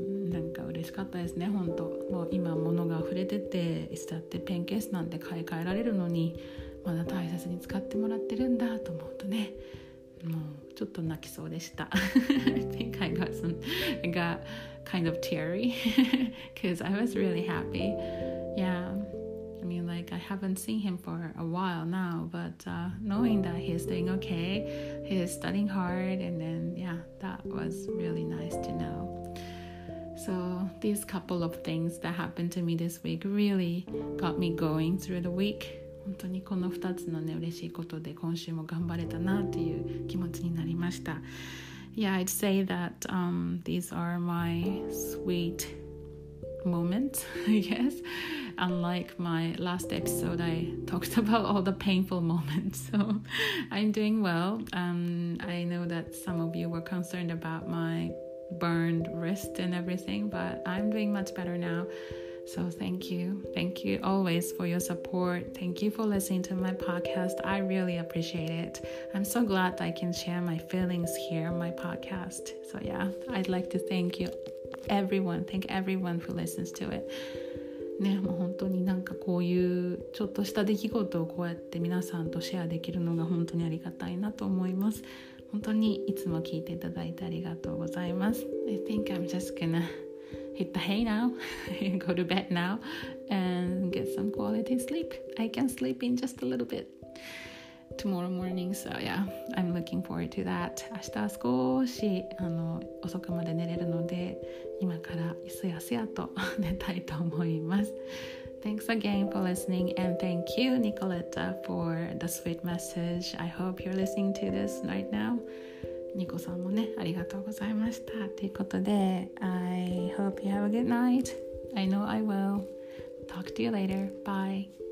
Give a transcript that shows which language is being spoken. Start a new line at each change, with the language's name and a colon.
Japanese: なんか嬉しかったですね、本当。もう今物が溢れてて、いつだってペンケースなんて買い替えられるのに、まだ大切に使ってもらってるんだと思うとね、もうちょっと泣きそうでした。
English: I think I got some, I got kind of teary, because I was really happy. Yeah. I mean, like, I haven't seen him for a while now, but knowing that he's doing okay, he's studying hard, and then, yeah, that was really nice to know. So these couple of things that happened to me this week really got me going through the week.
Japanese: 本当にこの2つのね、嬉しいことで今週も頑張れたなっていう気持ちになりました。
English: Yeah, I'd say that these are my sweet moments, I guess. Unlike my last episode, I talked about all the painful moments. So I'm doing well. I know that some of you were concerned about my burned wrist and everything, but I'm doing much better now. So thank you. Thank you always for your support. Thank you for listening to my podcast. I really appreciate it. I'm so glad I can share my feelings here on my podcast. So yeah, I'd like to thank you, everyone. Thank everyone who listens to it.
Japanese: ね、もう本当になんかこういうちょっとした出来事をこうやって皆さんとシェアできるのが本当にありがたいなと思います本当にいつも聞いていただいてありがとうございます
English: I think I'm just gonna hit the hay now go to bed now and get some quality sleep I can sleep in just a little bit tomorrow morning so yeah I'm looking forward to that
Japanese: 明日は少し遅くまで寝れるので今からすやすやと寝たいと思います
English: Thanks again for listening and thank you Nicoletta for the sweet message I hope you're listening to this right now
Japanese: ニコさんもねありがとうございましたということで
English: I hope you have a good night I know I will talk to you later bye